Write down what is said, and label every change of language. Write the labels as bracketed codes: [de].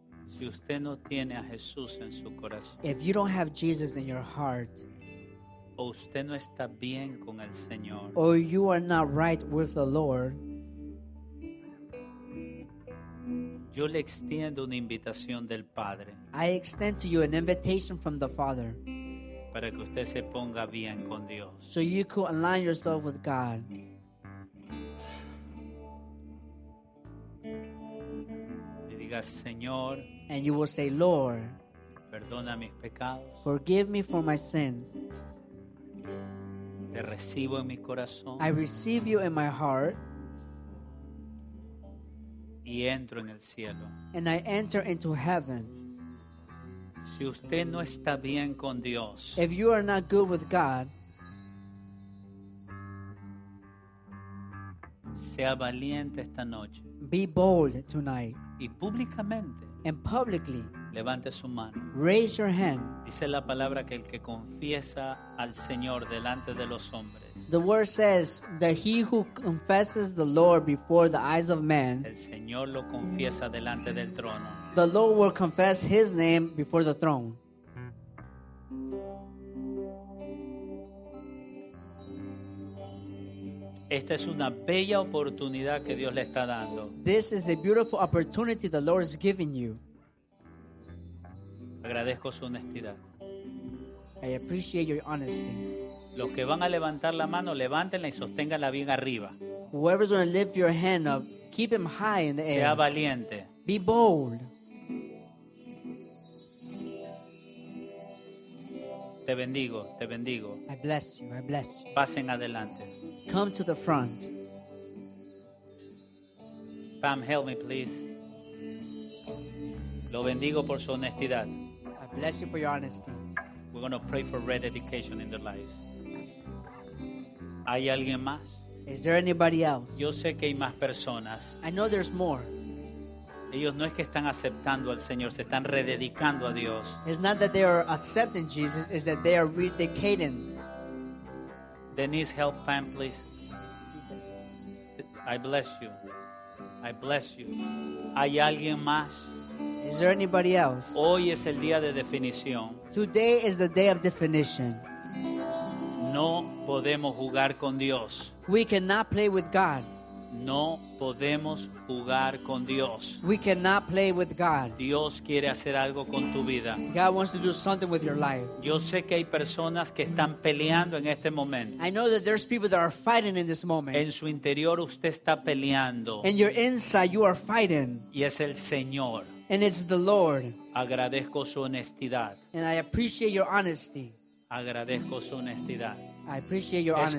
[es] si usted no tiene a Jesús en su corazón, [en] if you don't have Jesus in your heart, [es] o usted no está bien con el Señor, [en] or you are not right with the Lord, [es] yo le extiendo una invitación del Padre. [en] I extend to you an invitation from the Father, [es] para que usted se ponga bien con Dios. [en] So you could align yourself with God. [es] Señor, [en] and you will say, Lord, [es] perdona mis pecados. [en] Forgive me for my sins. [es] Te recibo en mi corazón. [en] I receive you in my heart. [es] Y entro en el cielo. [en] And I enter into heaven. [es] Si usted no está bien con Dios, [en] if you are not good with God, [es] sea valiente esta noche. [en] Be bold tonight. [es] Y públicamente, [en] and publicly, [es] levante su mano. [en] Raise your hand. [es] Dice la palabra que el que confiesa al Señor delante de los hombres, [en] the word says that he who confesses the Lord before the eyes of men, [es] el Señor lo confiesa delante del trono, [en] the Lord will confess his name before the throne. [es] Esta es una bella oportunidad que Dios le está dando. [en] This is a beautiful opportunity the Lord is giving you. [es] Agradezco su honestidad. [en] I appreciate your honesty. [es] Los que van a levantar la mano, levántenla y sosténganla bien arriba. [en] Whoever's going to lift your hand up, keep him high in the air. [es] Sea valiente. [en] Be bold. [es] Te bendigo, te bendigo. [en] I bless you, I bless you. [es] Pasen adelante. [en] Come to the front. Pam, help me, please. [es] Lo bendigo por su honestidad. [en] I bless you for your honesty. We're going to pray for rededication in their lives. [es] ¿Hay alguien más? [en] Is there anybody else? [es] Yo sé que hay más personas. [en] I know there's more. [es] Ellos no es que están aceptando al Señor, se están rededicando a Dios. [en] It's not that they are accepting Jesus, it's that they are rededicating. Denise, help Pam, please. I bless you. I bless you. [es] ¿Hay alguien más? [en] Is there anybody else? [es] Hoy es el día de definición. [en] Today is the day of definition. [es] No podemos jugar con Dios. [en] We cannot play with God. [es] No podemos jugar con Dios. [en] We cannot play with God. [es] Dios quiere hacer algo con tu vida. [en] God wants to do something with your life. [es] Yo sé que hay personas que están peleando en este momento. [en] I know that there's people that are fighting in this moment. [es] En su interior usted está peleando. [en] In your inside you are fighting. [es] Y es el Señor. [en] And it's the Lord. [es] Agradezco su honestidad. [en] And I appreciate your honesty. [es] Agradezco su honestidad. [en] I appreciate your honesty.